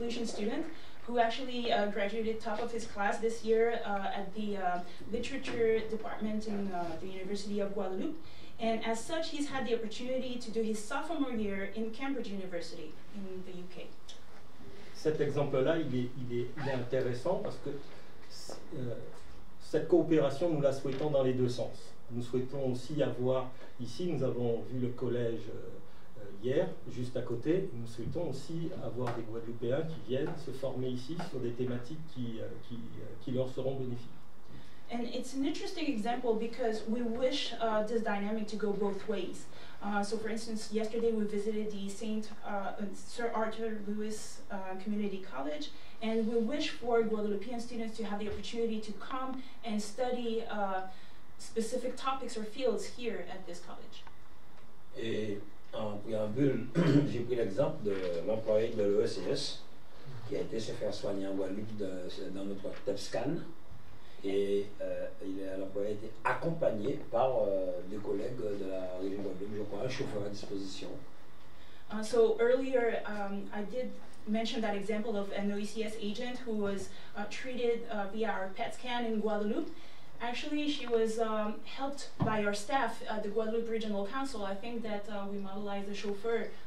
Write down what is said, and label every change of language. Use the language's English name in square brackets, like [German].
[English] Lucian student who actually graduated top of his class this year at the literature department in the University of Guadeloupe. And as such, he's had the opportunity to do his sophomore year in Cambridge University in the UK. [French] Cet exemple-là, il est intéressant parce que cette coopération, nous la souhaitons dans les deux sens. Nous souhaitons aussi avoir, ici, nous avons vu le collège... hier, juste à côté, nous souhaitons aussi avoir des Guadeloupéens qui viennent se former ici sur des thématiques qui leur seront bénéfiques. [English] And it's an interesting example because we wish this dynamic to go both ways. So for instance, yesterday we visited the Saint Sir Arthur Lewis Community College, and we wish for Guadeloupean students to have the opportunity to come and study specific topics or fields here at this college. [French] Et en préambule, j'ai pris l'exemple de l'employé de l'OECS qui a été se faire soigner en Guadeloupe dans notre TEPSCAN et l'employé a été accompagné par des collègues de la région Guadeloupe, je crois, un chauffeur à disposition. [English] So earlier, I did mention that example of an OECS agent who was treated via our PET scan in Guadeloupe. Actually, she was helped by our staff at the Guadeloupe Regional Council. I think that we mobilized a chauffeur